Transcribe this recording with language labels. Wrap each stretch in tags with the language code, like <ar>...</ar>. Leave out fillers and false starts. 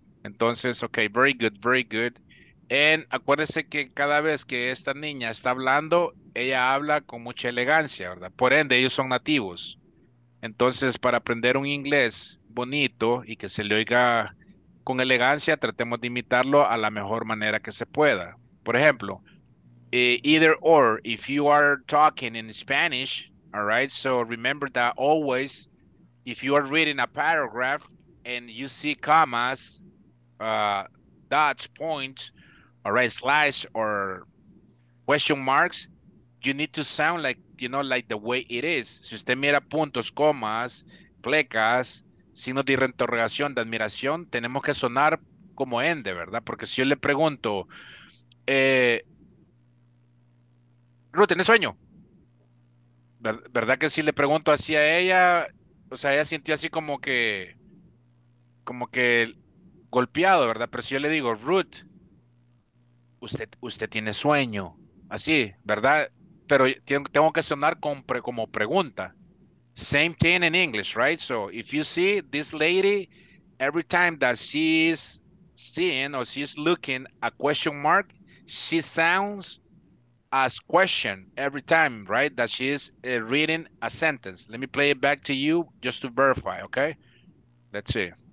<es>Entonces,</es> <en>ok, very good, very good. And</en> <es>acuérdense que cada vez que esta niña está hablando, ella habla con mucha elegancia, ¿verdad? Por ende, ellos son nativos. Entonces, para aprender un inglés bonito y que se le oiga con elegancia, tratemos de imitarlo a la mejor manera que se pueda. Por ejemplo,</es> <en>either or, if you are talking in Spanish, all right, so remember that always, if you are reading a paragraph and you see commas, dots, points, all right, slash or question marks, you need to sound like, you know, like the way it is.</en> <es>Si usted mira puntos, comas, flecas, signos de interrogación, de admiración, tenemos que sonar como ende, ¿verdad? Porque si yo le pregunto, Ruth, ¿tienes sueño? ¿Verdad que si le pregunto así a ella, o sea, ella sintió así como que golpeado, ¿verdad? Pero si yo le digo, Ruth, usted tiene sueño, así, ¿verdad? Pero tengo que sonar como pregunta.</es> <en>Same thing in English, right? So, if you see this lady, every time that she's seeing or she's looking a question mark, she sounds as question every time, right? That she is reading a sentence. Let me play it back to you just to verify, okay? Let's see.</en>